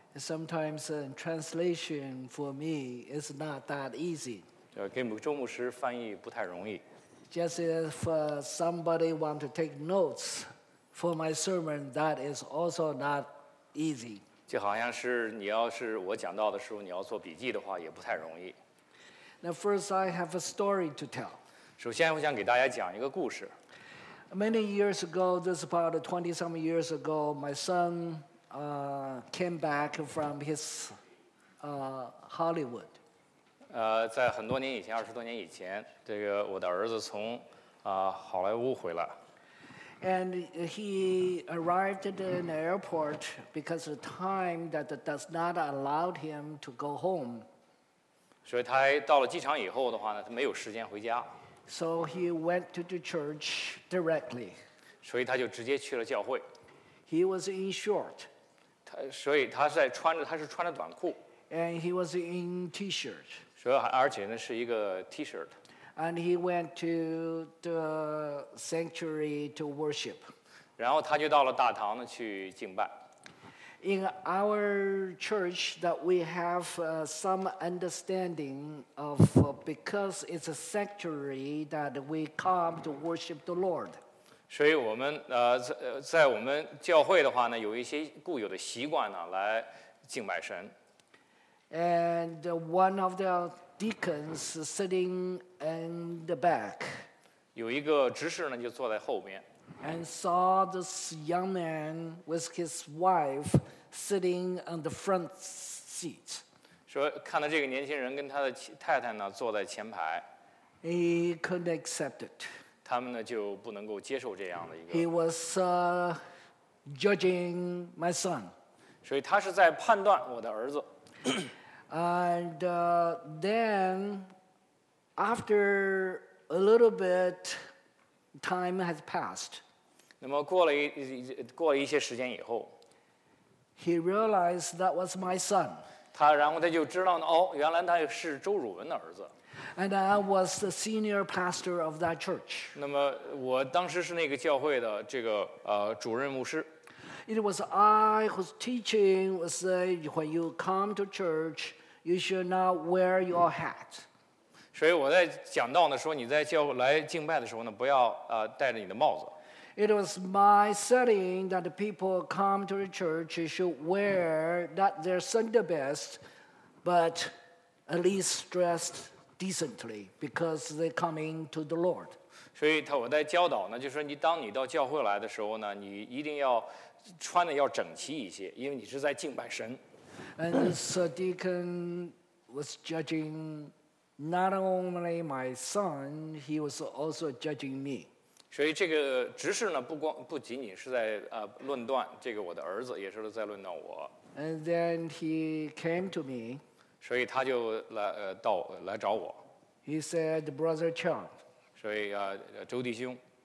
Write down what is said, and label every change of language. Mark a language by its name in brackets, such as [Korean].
[English] Sometimes translation for me is not that easy. [Chinese] 给周牧师翻译不太容易。 [English] Just if somebody wants to take notes for my sermon, that is also not easy. [Chinese] 就好像是你要是我讲到的时候，你要做笔记的话，也不太容易。 [English] Now, first, I have a story to tell. [Chinese] 首先，我想给大家讲一个故事。 [English] Many years ago, this is about 20-some years ago, my son came back from his Hollywood. [Chinese] 在很多年以前，二十多年以前，这个我的儿子从好莱坞回来。 [English] And he arrived at an airport because of the time that does not allow him to go home. [Chinese] 所以他到了机场以后的话呢，他没有时间回家。 [English] So he went to the church directly. [Chinese] 所以他就直接去了教会。 [English] He was in short. [Chinese] 所以他是穿着短裤。 [English] And he was in t-shirt. [Chinese] 所以而且呢是一个 t-shirt。 [English] And he went to the sanctuary to worship. [Chinese] 然后他就到了大堂呢去敬拜。 [English] In our church, that we have some understanding of because it's a sanctuary that we come to worship the Lord. [Chinese] 所以我们在我们教会的话呢，有一些固有的习惯呢来敬拜神。 [English] And one of the deacons sitting in the back. [Chinese] 有一个执事呢，就坐在后面。 [English] And saw this young man with his wife sitting on the front seat. [Chinese] 说看到这个年轻人跟他的太太呢坐在前排。 [English] He couldn't accept it. [Chinese] 他们呢就不能够接受这样的一个。 [English] He was judging my son. [Chinese] 所以他是在判断我的儿子。 [English] And then, after a little bit, time has passed. [Chinese] 那么过了一些时间以后 [English] ，He realized that was my son. [Chinese] 他然后他就知道了哦，原来他是周汝文的儿子。 [English] And I was the senior pastor of that church. [Chinese] 那么我当时是那个教会的这个主任牧师。 [English] It was I whose teaching was say when you come to church, you should not wear your hat. [Chinese] 所以我在讲道的时候，你在教来敬拜的时候呢，不要戴着你的帽子。 [English] It was my setting that the people come to the church should wear not their Sunday best, but at least dressed decently because they come in to the Lord. [Chinese] 所以我在教导呢，就是说你当你到教会来的时候呢，你一定要。穿的要整齐一些，因为你是在敬拜神。 [English] And the deacon was judging not only my son, he was also judging me. [Chinese] 所以这个执事呢，不仅仅是在论断这个我的儿子，也是在论断我。 [English] And then he came to me. [Chinese] 所以他就来找我。 [English] He said, "Brother Chang." [Chinese] 所以周弟兄